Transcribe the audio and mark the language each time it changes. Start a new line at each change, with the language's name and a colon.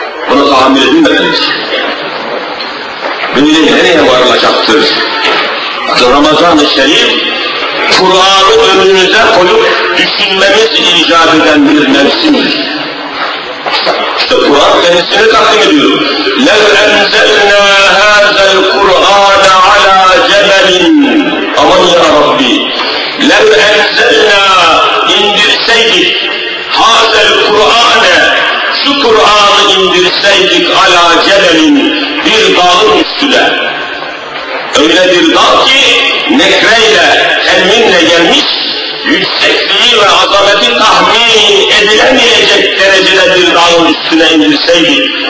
Turkish: Bunu tahammül edinmediniz. Bilin nereye varılacaktır? Ramazan-ı Şerif, Kur'an'ı önünüze koyup düşünmemiz icap eden bir mevsimdir. İşte Kur'an kendisini takdim ediyor.
Arabic: لَوْ اَنْزَلْنَا هَذَا الْقُرْآنَ عَلَى جَبَلٍ
Turkish: Aman ya Rabbi!
Arabic: لَوْ اَنْزَلْنَا
Turkish: indirseydik
Arabic: هَذَا الْقُرْآنَ
Turkish: Şu Kur'an'ı indirseydik
Arabic: عَلَى جَبَلٍ
Turkish: Bir dağın üstüne. Öyle bir dağ ki nekreyle, telminle gelmiş, yüksekliği ve azameti tahmin edilemeyecek derecede bir dağın üstüne indirseydik.